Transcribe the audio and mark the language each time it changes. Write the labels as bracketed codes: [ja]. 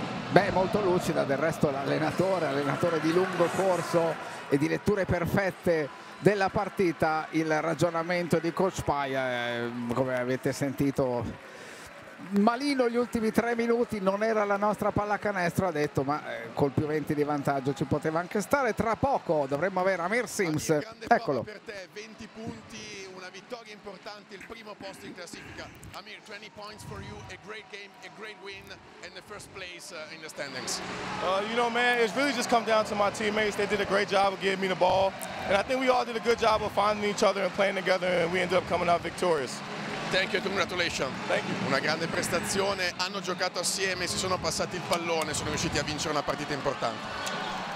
[it] Beh, molto lucida del resto l'allenatore, allenatore di lungo corso e di letture perfette della partita, il ragionamento di Coach Paia, come avete sentito malino gli ultimi tre minuti, non era la nostra pallacanestro, ha detto, ma col più 20 di vantaggio ci poteva anche stare. Tra poco dovremmo avere Amir Sims, eccolo. Per te 20 punti, una vittoria importante, il primo posto in classifica. [en] Amir, 20 points for you, a great game, a great win and the first place in the standings. You know, man, it's really just come down to my teammates. They did a great job of giving me the ball and I think we all did a good job of finding each other and playing together and we ended up coming out victorious. Thank you, congratulations. Thank you. [it] Una grande prestazione, hanno giocato assieme, si sono passati il pallone, sono riusciti a vincere una partita importante.